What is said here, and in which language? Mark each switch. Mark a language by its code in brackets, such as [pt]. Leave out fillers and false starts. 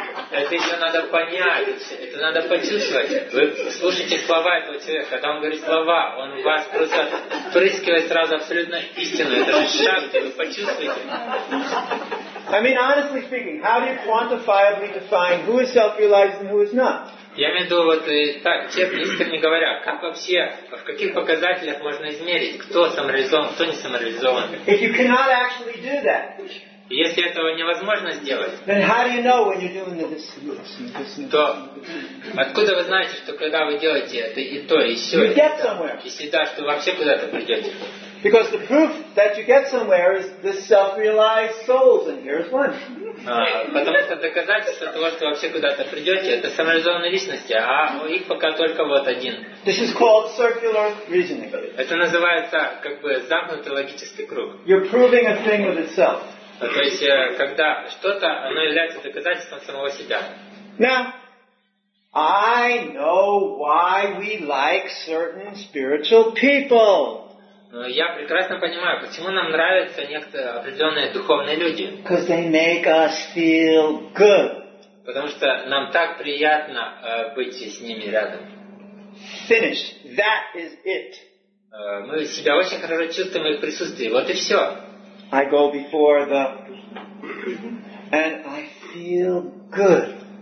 [ru] Это еще надо понять, это надо почувствовать. Вы слушаете слова этого человека, когда он говорит слова, он вас просто впрыскивает сразу абсолютно истину. Это же шахты, вы почувствуете. [en] I mean, honestly speaking, how do you quantifiably define who is self-realized and who is not? [ru] Я имею в виду, вот так, честно, искренне говоря, как вообще, в каких показателях можно измерить, кто самореализован, кто не самореализован? [en] If you cannot actually do that, [ru] если этого невозможно сделать, [en] then how do you know when you're doing this and this and this? [ru] То откуда вы знаете, что когда вы делаете это и то, и все, [en] you get somewhere. [ru] Если да, что вы вообще куда-то придете? [en] Because the proof that you get somewhere is the self-realized souls, and here's one. [ru] Потому что доказательство того, что вообще куда-то придете, это самореализованные личности, а их пока только вот один. [en] This is called circular reasoning. [ru] Это называется как бы замкнутый логический круг. [en] You're proving a thing with itself. [ru] То есть когда что-то, оно является доказательством самого себя. [en] Now, I know why we like certain spiritual people. [ru] Но я прекрасно понимаю, почему нам нравятся некоторые определенные духовные люди. [en] Because they make us feel good. [ru] Потому что нам так приятно быть с ними рядом. [en] Finish. That is it. [ru] Мы себя очень хорошо чувствуем в их присутствии. Вот и все. [en] I go before the and I feel good.